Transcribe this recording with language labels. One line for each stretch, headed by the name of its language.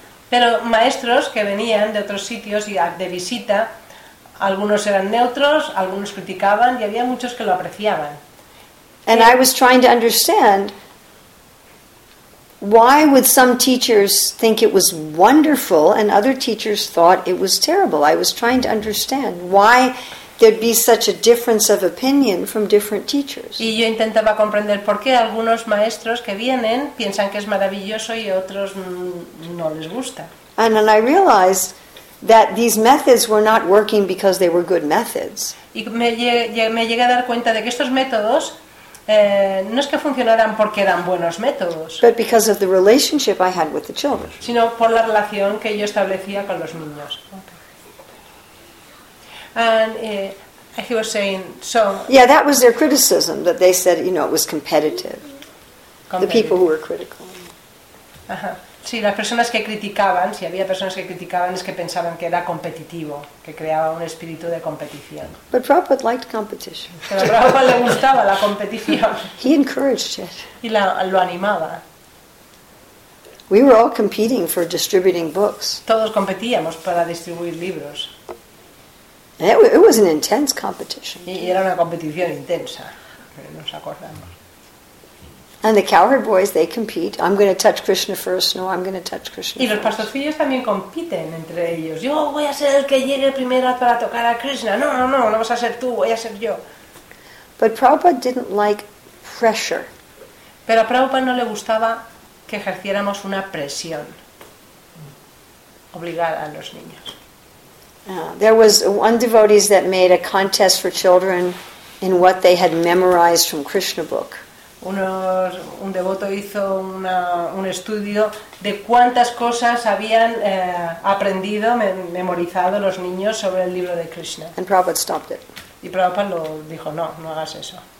Spanish: Pero maestros que venían de otros sitios y de visita, algunos eran neutros, algunos criticaban y había muchos que lo apreciaban.
English: And I was trying to understand why would some teachers think it was wonderful and other teachers thought it was terrible? I was trying to understand why there'd be such a difference of opinion from different teachers.
Spanish: Y yo intentaba comprender por qué algunos maestros que vienen piensan que es maravilloso y otros no les gusta.
English: And then I realized that these methods were not working because they were good methods.
Spanish: Y me llegué a dar cuenta de que estos métodos no es que funcionaran porque eran buenos métodos,
English: but because of the relationship I had with the children,
Spanish: sino por la relación que yo establecía con los niños.
English: Okay. And he was saying, so yeah, that was their criticism, that they said, you know, it was competitive. The people who were critical. Ajá.
Spanish: Sí, las personas que criticaban, si había personas que criticaban, es que pensaban que era competitivo, que creaba un espíritu de competición.
English: But Prabhupada liked competition.
Spanish: Pero a Prabhupada le gustaba la competición.
English: He encouraged it.
Spanish: Y lo animaba.
English: We were all competing for distributing books.
Spanish: Todos competíamos para distribuir libros.
English: It was an intense competition.
Spanish: Y era una competición intensa, pero nos acordamos.
English: And the cowherd boys, they compete. I'm going to touch Krishna first. No, I'm going to touch Krishna first.
Spanish: Y los pastorcillos también compiten entre ellos. Yo voy a ser el que llegue primero para tocar a Krishna. No vas a ser tú, voy a ser yo.
English: But Prabhupada didn't like pressure.
Spanish: Pero a Prabhupada no le gustaba que ejerciéramos una presión. Obligar a los niños.
English: There was one devotees that made a contest for children in what they had memorized from Krishna book.
Spanish: Un devoto hizo un estudio de cuántas cosas habían aprendido, memorizado los niños sobre el libro de Krishna.
English: And Prabhupada stopped it.
Spanish: Y Prabhupada lo dijo, no hagas eso.